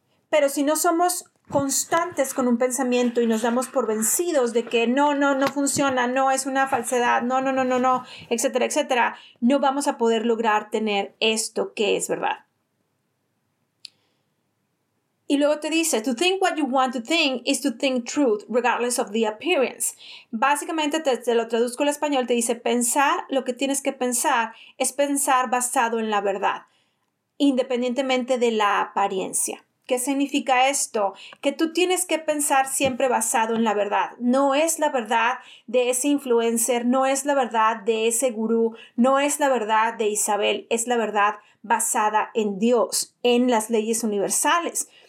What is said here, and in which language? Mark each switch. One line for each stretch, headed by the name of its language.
Spanish: Pero si no somos constantes con un pensamiento y nos damos por vencidos de que no funciona, no es una falsedad, no, etcétera, etcétera, no vamos a poder lograr tener esto que es verdad. Y luego te dice,
English: to think what you want to think is to think truth, regardless of the appearance.
Spanish: Básicamente, te lo traduzco al español, te dice, pensar lo que tienes que pensar es pensar basado en la verdad, independientemente de la apariencia. ¿Qué significa esto? Que tú tienes que pensar siempre basado en la verdad. No es la verdad de ese influencer, no es la verdad de ese gurú, no es la verdad de Isabel, es la verdad basada en Dios, en las leyes universales.